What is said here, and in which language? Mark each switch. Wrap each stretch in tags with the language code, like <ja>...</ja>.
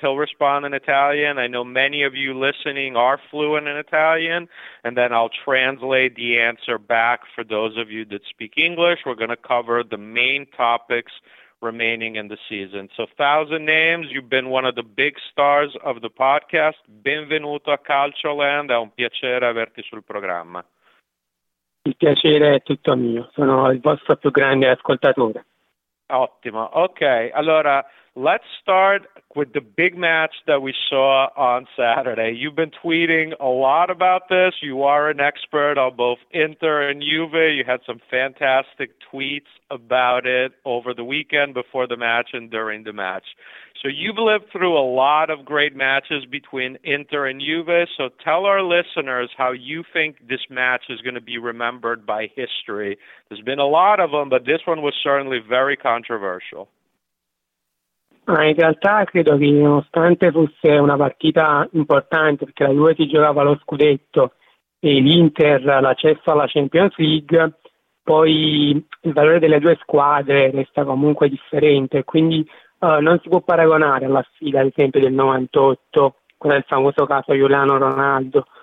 <en>He'll respond in Italian. I know many of you listening are fluent in Italian. And then I'll translate the answer back for those of you that speak English. We're going to cover the main topics remaining in the season. So Thousand Names, you've been one of the big stars of the podcast.</en> <it>Benvenuto a Calcioland. È un piacere averti sul programma. Il piacere è tutto mio, sono il vostro più grande ascoltatore. Ottimo, ok.</it> <en>Allora, let's start with the big match that we saw on Saturday. You've been tweeting a lot about this. You are an expert on both Inter and Juve. You had some fantastic tweets about it over the weekend before the match and during the match. So you've lived through a lot of great matches between Inter and Juve. So tell our listeners how you think this match is going to be remembered by history. There's been a lot of them, but this one was certainly very controversial.</en> <it>In realtà credo che nonostante fosse una partita importante, perché la Juve si giocava lo scudetto e l'Inter l'accesso alla Champions League, poi il valore delle due squadre resta comunque differente, quindi non si può paragonare alla sfida, ad esempio, del 98, con il famoso caso Juliano Ronaldo,</it>